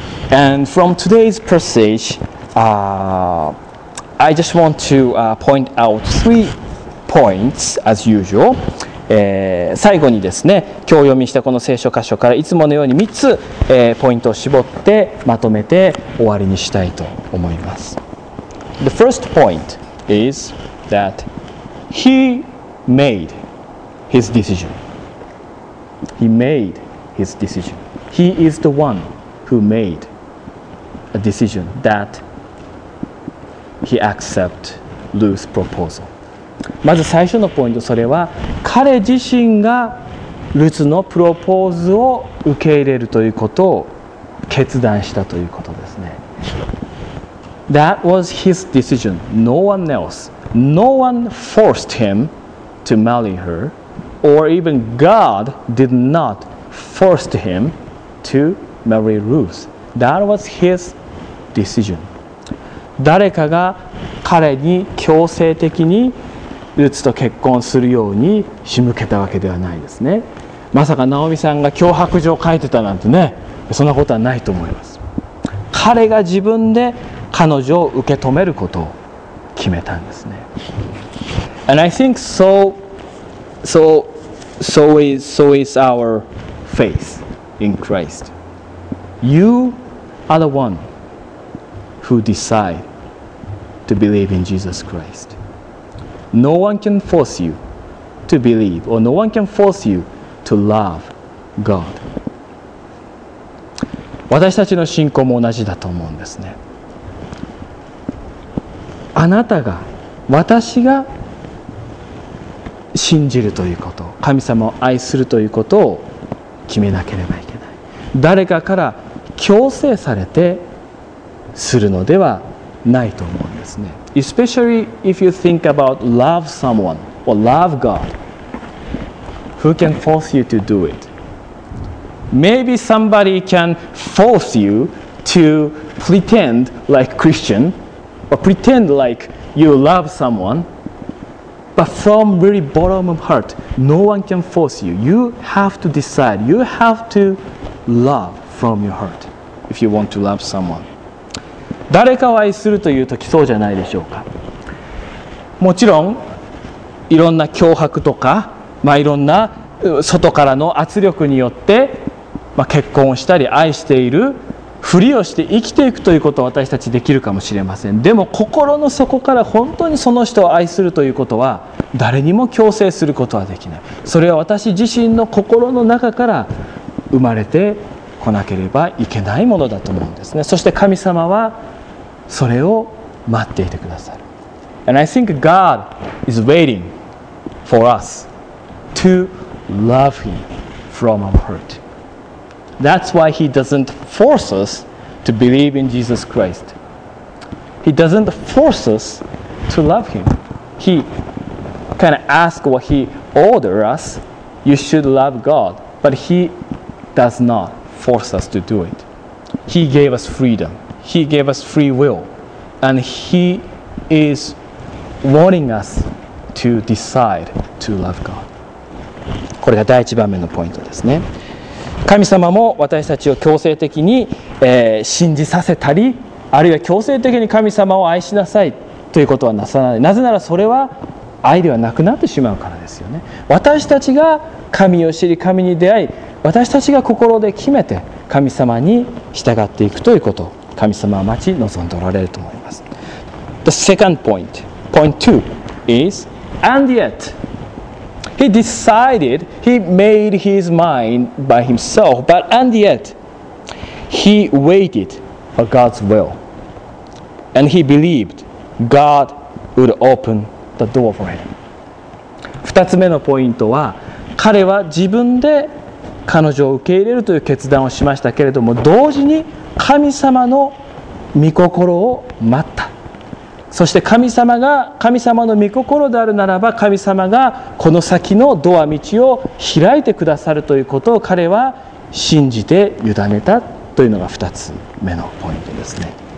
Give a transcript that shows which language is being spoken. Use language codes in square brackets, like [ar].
[en] And from today's passage、I just want to、point out three points as usual. [ja] 最後にですね、今日読みしたこの聖書箇所からいつものように3つ、ポイントを絞ってまとめて終わりにしたいと思います。 [en] The first point is that he made his decision. He made his decision. He is the one who made a decision that he accept Ruth's proposal. [ja] まず最初のポイント、それは彼自身がルツのプロポーズを受け入れるということを決断したということですね。 [en] That was his decision. No one else. No one forced him to marry her, or even God did not force him to marry Ruth. That was his decision. [ja] 誰かが彼に強制的にルツと結婚するように仕向けたわけではないですね。まさかナオミさんが脅迫状を書いてたなんてね、そんなことはないと思います。彼が自分で彼女を受け止めることを決めたんですね。 [en] And I think so is our faith in Christ. You are the one who decide to believe in Jesus ChristNo one can force you to believe, or no one can force you to love God. [ja] 私たちの信仰も同じだと思うんですね。あなたが、私が信じるということ、神様を愛するということを決めなければいけない。誰かから強制されてするのではないと思うんですね。 [en] Especially if you think about love someone or love God, who can force you to do it? Maybe somebody can force you to pretend like Christian or pretend like you love someone, but from really bottom of heart, no one can force you. You have to decide. You have to love from your heart if you want to love someone. [ja] 誰かを愛するというときそうじゃないでしょうか。もちろんいろんな脅迫とか、まあ、いろんな外からの圧力によって、まあ、結婚をしたり愛しているふりをして生きていくということは私たちできるかもしれません。でも心の底から本当にその人を愛するということは誰にも強制することはできない。それは私自身の心の中から生まれて来なければいけないものだと思うんですね。そして神様はそれを待っていてくださる。 [en] And I think God is waiting for us to love Him from our heart. That's why He doesn't force us to believe in Jesus Christ. He doesn't force us to love Him. he kind of asked what he ordered us, you should love God, but he does not force us to do it. He gave us freedom. He gave us free will. And he is wanting us to decide to love God. [ja] これが第一番目のポイントですね。神様も私たちを強制的に、信じさせたり、あるいは強制的に神様を愛しなさいということはなさない。なぜならそれは愛ではなくなってしまうからですよね。私たちが神を知り、神に出会い、私たちが心で決めて神様に従っていくということ、神様は待ち望んでおられると思います。 [en] The second point, point two is, and yet, he decided, he made his mind by himself, but and yet, he waited for God's will, and he believed God would open the door for him. [ja] 二つ目のポイントは、彼は自分で彼女を受け入れるという決断をしましたけれども、同時に神様の御心を待った。そして神様が神様の御心であるならば、神様がこの先のドア道を開いてくださるということを彼は信じて委ねたというのが二つ目のポイントですね。